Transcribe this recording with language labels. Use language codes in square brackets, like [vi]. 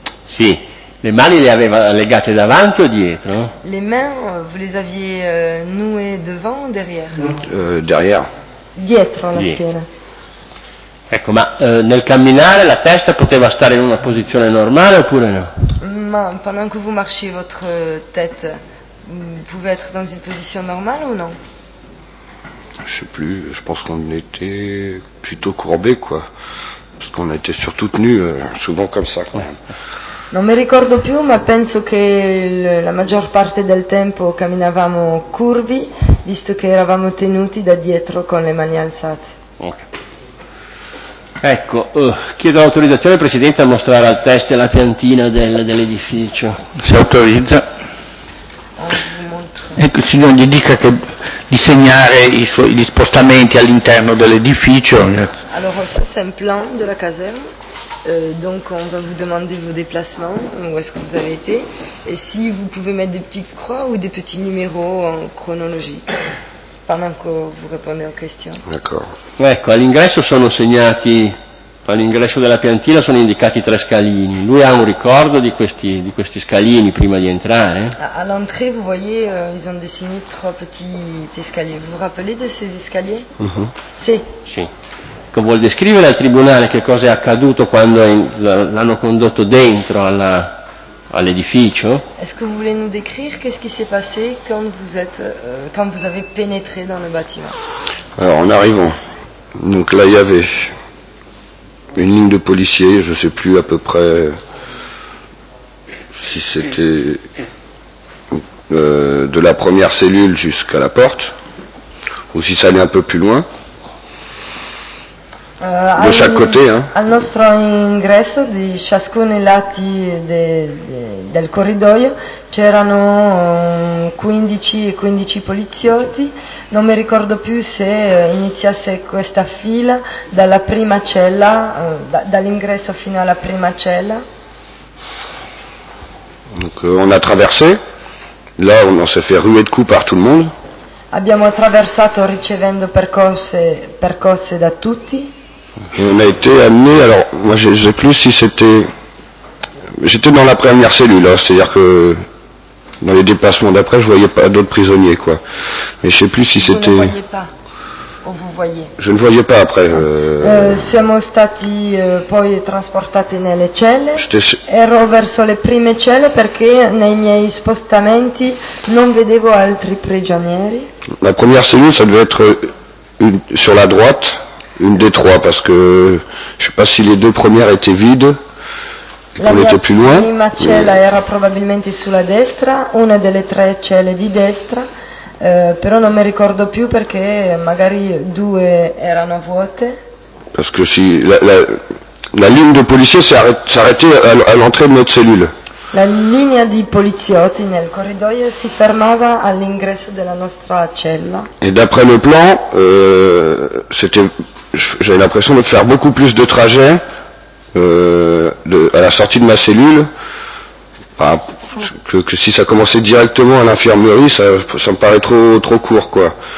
[it] Sì, le mani le aveva legate davanti o dietro? [fr] Le mains vous les aviez nouées devant ou derrière? Derrière. [it] Dietro la schiena. Ecco, ma nel camminare la testa poteva stare in una posizione normale oppure no? [fr] Ma pendant que vous marchiez votre tête, vous pouvez être dans une position normale ou non? Je sais plus, je pense qu'on était plutôt courbé quoi. Parce qu'on était surtout tenu souvent comme ça quand même. [it] Non mi ricordo più, ma penso che la maggior parte del tempo camminavamo curvi, visto che eravamo tenuti da dietro con le mani alzate. Ok. Ecco, chiedo autorizzazione al Presidente a mostrare al test la piantina dell'edificio. Si autorizza. Ecco, il signor gli dica che di segnare i suoi gli spostamenti all'interno dell'edificio. Allora, [fr] ça c'est un plan de la caserne. Donc on va vous demander vos déplacements, où est-ce que vous avez été, et si vous pouvez mettre des petites croix ou des petits numéros en chronologique. Pendant que vous répondez aux questions. D'accord. [it] Ecco, all'ingresso sono segnati, all'ingresso della piantina sono indicati tre scalini. Lui ha un ricordo di questi scalini prima di entrare? [fr] À l'entrée, vous voyez, ils ont dessiné trois petits escaliers. Vous vous rappelez de ces escaliers? [it] Sì. Ecco, vuol descrivere al tribunale che cosa è accaduto quando l'hanno condotto dentro alla, all'edificio? [fr] Est-ce que vous voulez nous décrire qu'est-ce qui s'est passé quand vous avez pénétré dans le bâtiment? Alors en arrivant, donc là il y avait une ligne de policiers, je ne sais plus à peu près si c'était de la première cellule jusqu'à la porte ou si ça allait un peu plus loin. De chaque côté, hein. [it] Al nostro ingresso, di ciascuno dei lati del corridoio, c'erano 15 poliziotti. Non mi ricordo più se iniziasse questa fila dalla prima cella, dall'ingresso fino alla prima cella. [fr] Donc, on a traversé. Là, on s'est fait ruer de coups par tout le monde. [it] Abbiamo attraversato ricevendo percosse da tutti. [fr] Et on a été amené, alors moi je ne sais plus si c'était, j'étais dans la première cellule, hein, c'est-à-dire que dans les déplacements d'après je voyais pas d'autres prisonniers quoi, mais je ne sais plus si c'était... Vous ne voyez pas, ou vous voyez? Je ne voyais pas après. [it] Siamo stati poi trasportati nelle celle, ero verso le prime celle perché nei miei spostamenti non vedevo altri prigionieri. [fr] La première cellule ça devait être sur la droite. Une des trois, parce que je ne sais pas si les deux premières étaient vides [it] la mia più lungo, prima cella quindi... era probabilmente sulla destra, una delle tre celle di destra, però non mi ricordo più perché magari due erano vuote. [fr] Parce que si, la ligne de policiers s'est arrêtée à l'entrée de notre cellule. [it] La linea di poliziotti nel corridoio si fermava all'ingresso della nostra cella. [fr] Et d'après le plan, c'était, j'avais l'impression de faire beaucoup plus de trajets à la sortie de ma cellule. Enfin, que si ça commençait directement à l'infirmerie, ça me paraît trop court, quoi.